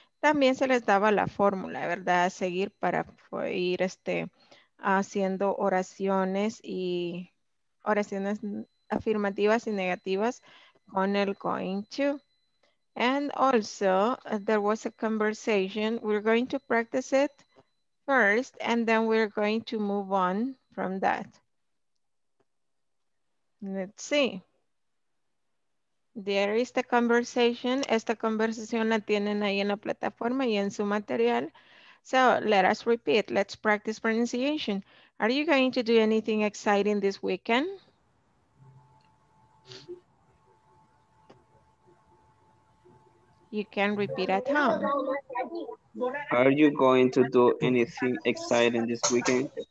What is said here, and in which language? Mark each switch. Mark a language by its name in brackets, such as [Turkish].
[Spanish] También se les daba la fórmula, ¿verdad? A seguir para ir haciendo oraciones y oraciones afirmativas y negativas con el going to. [English] And also, there was a conversation. We're going to practice it first, and then we're going to move on from that. Let's see. There is the conversation. [Spanish] Esta conversación la tienen ahí en la plataforma y en su material. [English] So let us repeat. Let's practice pronunciation. Are you going to do anything exciting this weekend? You can repeat at home. Are you going to do anything exciting this weekend?